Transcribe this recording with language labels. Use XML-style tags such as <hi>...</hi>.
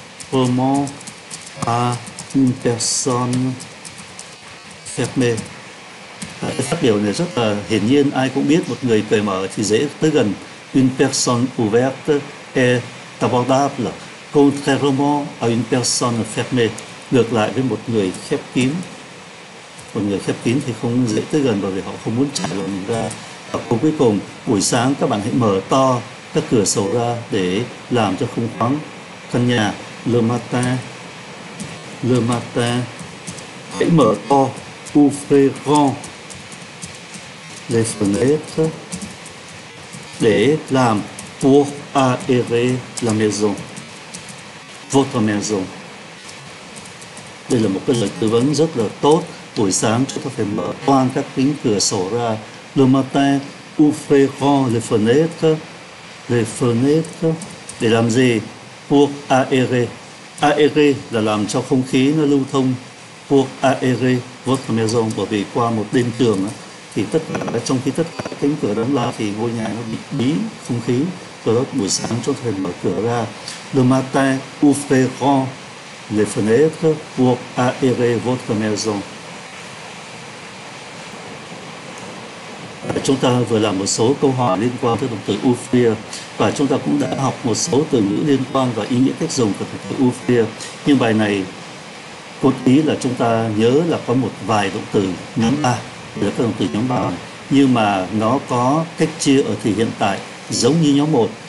<fr>Contrairement à une personne fermé.</fr> <vi>Cái phát biểu này rất là hiển nhiên, ai cũng biết một người cởi mở thì dễ tới gần.</vi> <fr>Une personne ouverte est abordable contrairement à une personne fermée.</fr> <vi>Ngược lại với một người khép kín. Một người khép kín thì không dễ tới gần bởi vì họ không muốn trải lòng ra. Và cuối cùng, buổi sáng các bạn hãy mở to các cửa sổ ra để làm cho không thoáng căn nhà.</vi> <fr>Le matin</fr> <vi>hãy mở to,</vi> <fr>ouvrez grand, les fenêtres,</fr> <vi>để làm</vi> <fr>pour aérer la maison, votre maison.</fr> <vi>Đây là một cái lời tư vấn rất là tốt. Buổi sáng chúng ta phải mở toang các cánh cửa sổ ra.</vi> <fr>Le matin, ouvrez grand les fenêtres. Les fenêtres.</fr> <vi>Để làm gì?</vi> <fr>Pour aérer.</fr> <vi>Aérer là làm cho không khí nó lưu thông.</vi> <fr>Pour aérer votre maison.</fr> <vi>Bởi vì qua một đêm tường thì tất cả, trong khi tất cả cánh cửa đóng lại thì ngôi nhà nó bị bí không khí. Do đó buổi sáng chúng ta phải mở cửa ra.</vi> <fr>Le matin, ouvrez grand les fenêtres pour aérer votre maison.</fr> <vi>Chúng ta vừa làm một số câu hỏi liên quan tới động từ ouvrir, và chúng ta cũng đã học một số từ ngữ liên quan và ý nghĩa cách dùng của động từ ouvrir. Nhưng bài này cốt ý là chúng ta nhớ là có một vài động từ nhóm ba, là các động từ nhóm ba, nhưng mà nó có cách chia ở thì hiện tại giống như nhóm một.</vi>